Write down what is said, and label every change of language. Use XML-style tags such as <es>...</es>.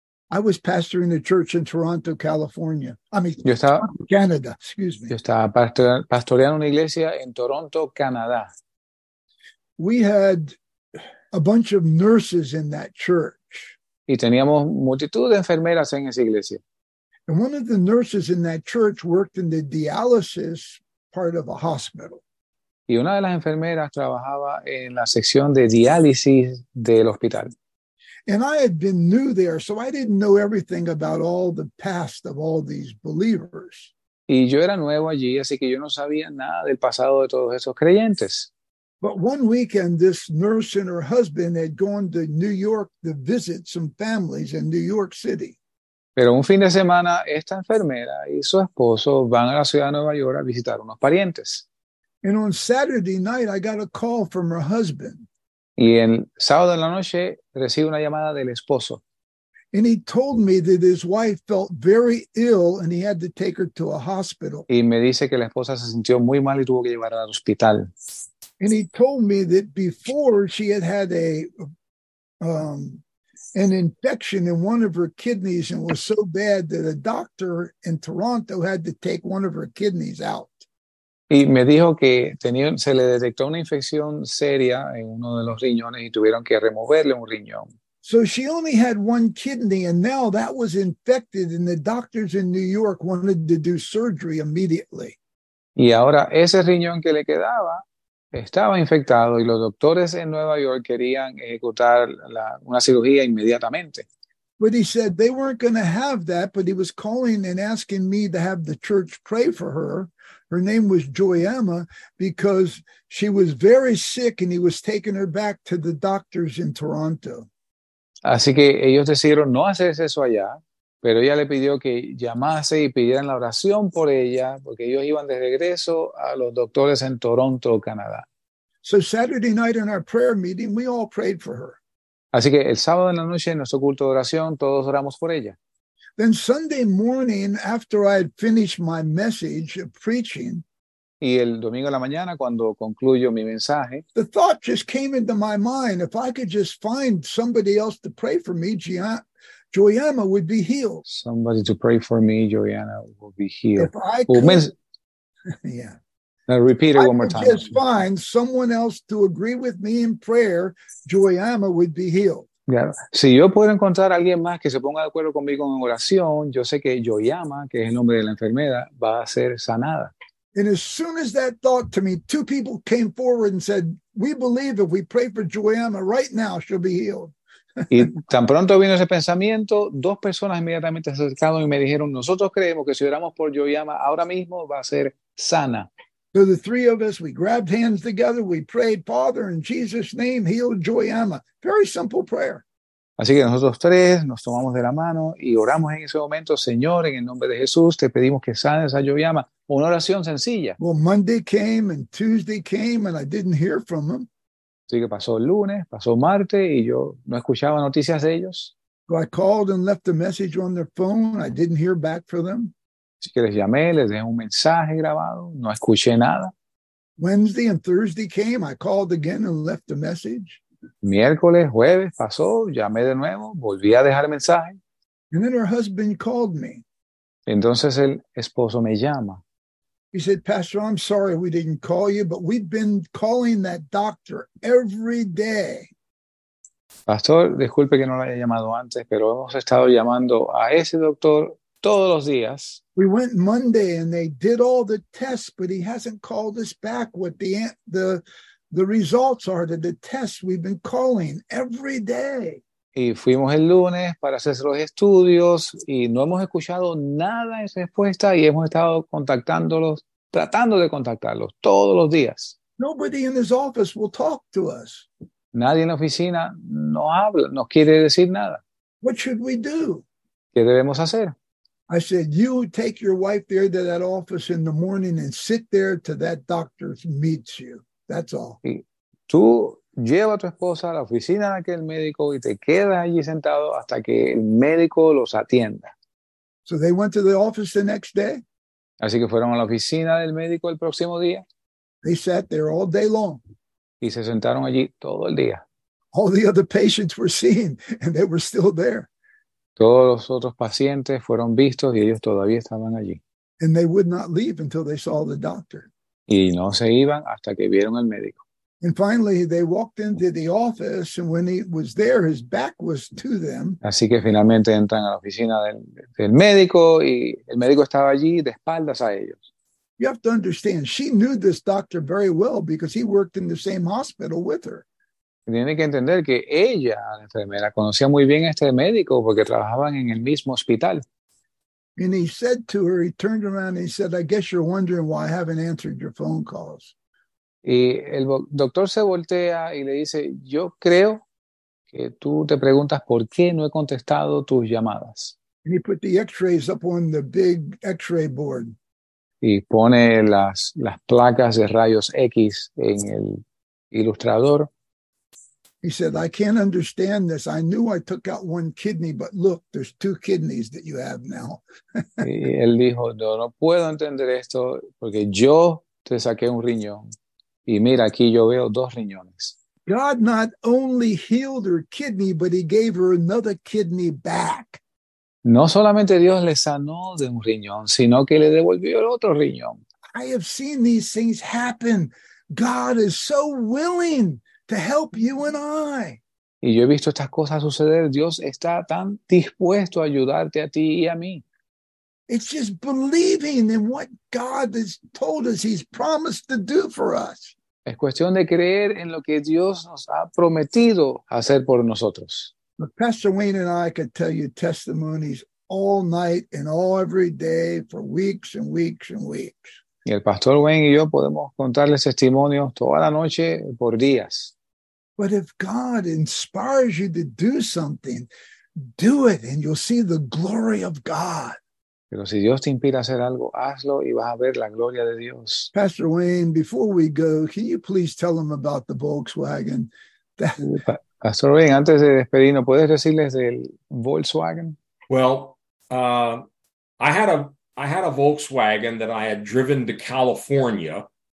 <en>I was pastoring a church in Toronto, California. I mean,</en> <es>yo estaba,</es> <en>Canada, excuse me.</en> <es>Yo estaba pastoreando una iglesia en Toronto, Canadá.</es> <en>We had a bunch of nurses in that church.</en> <es>Y teníamos multitud de enfermeras en esa iglesia.</es> <en>And one of the nurses in that church worked in the dialysis part of a hospital.</en> <es>Y una de las enfermeras trabajaba en la sección de diálisis del hospital.</es> <en>And I had been new there, so I didn't know everything about all the past of all these believers.</en> <es>Y yo era nuevo allí, así que yo no sabía nada del pasado de todos esos creyentes.</es> <en>But one weekend, this nurse and her husband had gone to New York to visit some families in New York City.</en> <es>Pero un fin de semana, esta enfermera y su esposo van a la ciudad de Nueva York a visitar unos parientes.</es> <en>And on Saturday night, I got a call from her husband.</en> <es>Y el sábado en la noche, recibe una llamada del esposo.</es> <en>And he told me that his wife felt very ill and he had to take her to a hospital.</en> <es>Y me dice que la esposa se sintió muy mal y tuvo que llevarla al hospital.</es> <en>And he told me that before she had had an infection in one of her kidneys and was so bad that a doctor in Toronto had to take one of her kidneys out.</en> <es>Y me dijo que se le detectó una infección seria en uno de los riñones y tuvieron que removerle un riñón.</es> <en>So she only had one kidney and now that was infected and the doctors in New York wanted to do surgery immediately.</en> <es>Y ahora ese riñón que le quedaba estaba infectado y los doctores en Nueva York querían ejecutar una cirugía inmediatamente.</es> <en>But he said they weren't going to have that, but he was calling and asking me to have the church pray for her. Her name was Joy Emma, because she was very sick and he was taking her back to the doctors in Toronto.</en> <es>Así que ellos decidieron no hacer eso allá, pero ella le pidió que llamase y pidieran la oración por ella, porque ellos iban de regreso a los doctores en Toronto, Canadá.</es> <en>So Saturday night in our prayer meeting, we all prayed for her.</en> <es>Así que el sábado en la noche, en nuestro culto de oración, todos oramos por ella.</es> <en>Then Sunday morning, after I had finished my message of preaching,</en> <es>y el domingo en la mañana, cuando concluyo mi mensaje,</es> <en>the thought just came into my mind, if I could just find somebody else to pray for me, Joyama would be healed. Somebody to pray for me, Joyama will be healed. If I could, yeah. Now repeat it one more time. I could just find someone else to agree with me in prayer, Joyama would be healed. Yeah.</en> <es>Si yo puedo encontrar a alguien más que se ponga de acuerdo conmigo en oración, yo sé que Joyama, que es el nombre de la enfermera, va a ser sanada.</es> <en>And as soon as that thought to me, two people came forward and said, we believe if we pray for Joyama right now, she'll be healed.</en> <es>Y tan pronto vino ese pensamiento, dos personas inmediatamente se acercaron y me dijeron, nosotros creemos que si oramos por Joyama ahora mismo va a ser sana.</es> <en>So the three of us, we grabbed hands together, we prayed, Father, in Jesus' name, heal Joyama. Very simple prayer.</en> <es>Así que nosotros tres nos tomamos de la mano y oramos en ese momento, Señor, en el nombre de Jesús, te pedimos que sanes a Joyama. Una oración sencilla.</es> <en>Well, Monday came and Tuesday came and I didn't hear from them.</en> <es>Así que pasó el lunes, pasó martes y yo no escuchaba noticias de ellos.</es> <en>So I called and left a message on their phone. I didn't hear back from them.</en> <es>Así que les llamé, les dejé un mensaje grabado, no escuché nada.</es> <en>Wednesday and Thursday came, I called again and left a message.</en> <es>Miércoles, jueves, pasó, llamé de nuevo, volví a dejar mensaje.</es> <en>And then her husband called me.</en> <es>Entonces el esposo me llama.</es> <en>He said, Pastor, I'm sorry we didn't call you, but we've been calling that doctor every day.</en> <es>Pastor, disculpe que no lo haya llamado antes, pero hemos estado llamando a ese doctor todos los días.</es> <en>We went Monday and they did all the tests, but he hasn't called us back what the results are to the tests we've been calling every day.</en> <es>Y fuimos el lunes para hacer los estudios y no hemos escuchado nada en respuesta y hemos estado contactándolos, tratando de contactarlos todos los días.</es> <en>Nobody in his office will talk to us.</en> <es>Nadie en la oficina no habla, no quiere decir nada.</es> <en>What should we do?</en> <es>¿Qué debemos hacer?</es> <en>I said, you take your wife there to that office in the morning and sit there till that doctor meets you. That's all.</en> <es>Y tú lleva a tu esposa a la oficina de aquel médico y te quedas allí sentado hasta que el médico los atienda.</es> <en>So they went to the office the next day.</en> <es>Así que fueron a la oficina del médico el próximo día.</es> <en>They sat there all day long.</en> <es>Y se sentaron allí todo el día.</es> <en>All the other patients were seen and they were still there.</en> <es>Todos los otros pacientes fueron vistos y ellos todavía estaban allí.</es> <en>And they would not leave until they saw the doctor.</en> <es>Y no se iban hasta que vieron al médico.</es> <en>And finally they walked into the office and when he was there his back was to them.</en> <es>Así que finalmente entran a la oficina del médico y el médico estaba allí de espaldas a ellos.</es> <en>You have to understand, she knew this doctor very well because he worked in the same hospital with her.</en> <es>Tiene que entender que ella, la enfermera, conocía muy bien a este médico porque trabajaban en el mismo hospital.</es> <en>And he said to her, he turned around and he said, I guess you're wondering why I haven't answered your phone calls.</en> <es>Y el doctor se voltea y le dice, yo creo que tú te preguntas por qué no he contestado tus llamadas.</es> <en>And he put the x-rays up on the big x-ray board.</en> <es>Y pone las placas de rayos X en el ilustrador.</es> <en>He said, I can't understand this. I knew I took out one kidney, but look, there's two kidneys that you have now.</en> <es>Y él dijo, no, no puedo entender esto porque yo te saqué un riñón. Y mira, aquí yo veo dos riñones.</es> <en>God not only healed her kidney, but he gave her another kidney back.</en> <es>No solamente Dios le sanó de un riñón, sino que le devolvió el otro riñón.</es> <en>I have seen these things happen. God is so willing to help you and I.</en> <es>Y yo he visto estas cosas suceder. Dios está tan dispuesto a ayudarte a ti y a mí.</es> <en>It's just believing in what God has told us he's promised to do for us.</en> <es>Es cuestión de creer en lo que Dios nos ha prometido hacer por nosotros.</es> <en>But Pastor Wayne and I could tell you testimonies all night and all every day for weeks and weeks and weeks.</en> <es>Y el Pastor Wayne y yo podemos contarles testimonios toda la noche por días.</es> <en>But if God inspires you to do something, do it and you'll see the glory of God.</en> <es>Pero si Dios te inspira a hacer algo, hazlo y vas a ver la gloria de Dios.</es> <en>Pastor Wayne, before we go, can you please tell them about the Volkswagen?</en> <es>Pastor Wayne, antes de despedirnos, ¿puedes decirles del Volkswagen?</es> <en>Well, I had a Volkswagen that I had driven to California.</en>